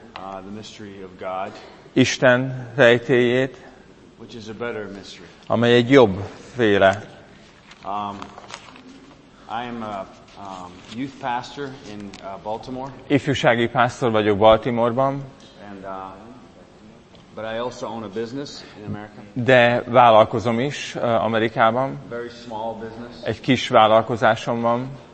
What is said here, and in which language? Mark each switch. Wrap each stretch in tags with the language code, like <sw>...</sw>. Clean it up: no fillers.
<en>The mystery of God.</en> <hu>Isten rejtélyét.</hu> <en>Which is a better mystery.</en> <hu>Amely egy jobb féle.</hu> <en>I am a youth pastor in Baltimore.</en> <hu>Ifjúsági pásztor vagyok Baltimore-ban.</hu> <en>And but I also own a business in America.</en> <hu>De vállalkozom is Amerikában.</hu> <en>Very small business.</en> <hu>Egy kis vállalkozásom van.</hu>